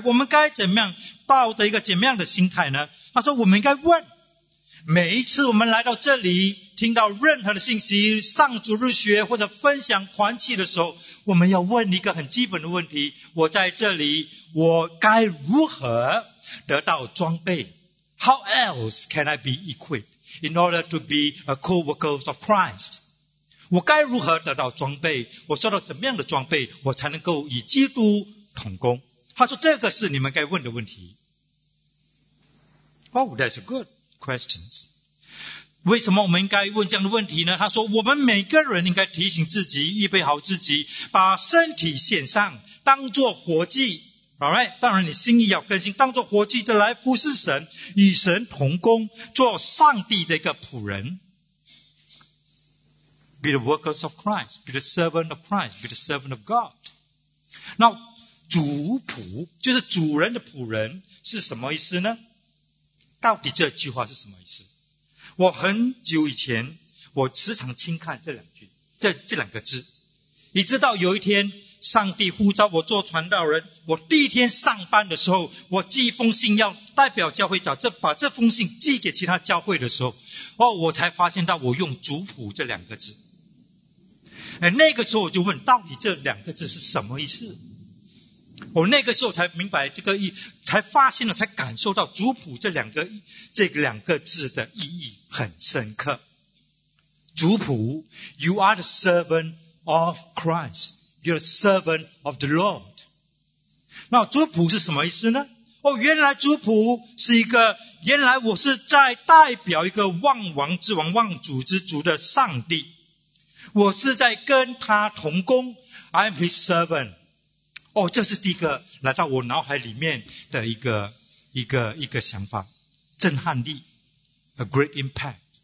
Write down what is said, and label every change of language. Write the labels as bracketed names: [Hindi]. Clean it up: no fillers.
[Chinese] 我们该怎么样抱着一个怎么样的心态呢？他说我们应该问，每一次我们来到这里听到任何的信息，上主日学或者分享团契的时候，我们要问一个很基本的问题，我在这里我该如何得到装备？ [English] How else can I be equipped in order to be a co-worker of Christ? [Chinese] 我该如何得到装备？我受到怎么样的装备，我才能够与基督同工？他说这个是你们该问的问题。 [English] Oh, that's a good question. [Chinese] 为什么我们应该问这样的问题呢？他说我们每个人应该提醒自己，预备好自己，把身体献上，当作活祭。 Alright, 当然你心意要更新，当作活祭就来服侍神，与神同工，做上帝的一个仆人。 [English] Be the workers of Christ. Be the servant of Christ. Be the servant of God. [Chinese] 那主仆就是主人的仆人是什么意思呢？到底这句话是什么意思？我很久以前我时常轻看这两句，这两个字，一直到有一天上帝呼召我做传道人，我第一天上班的时候，我寄一封信要代表教会找这把这封信寄给其他教会的时候，哦，我才发现到我用主仆这两个字。那个时候我就问，到底这两个字是什么意思？我那个时候才明白这个意，才发现了，才感受到主仆这两个字的意义很深刻。 [English] 主仆 ，You are the servant of Christ. You're a servant of the Lord. [Chinese] 那主仆是什么意思呢？哦，原来主仆是一个，原来我是在代表一个万王之王、万主之主的上帝。我是在跟他同工 ， [English] I'm his servant。 [Chinese] 哦，这是第一个来到我脑海里面的一个想法，震撼力 ， [English] a great impact。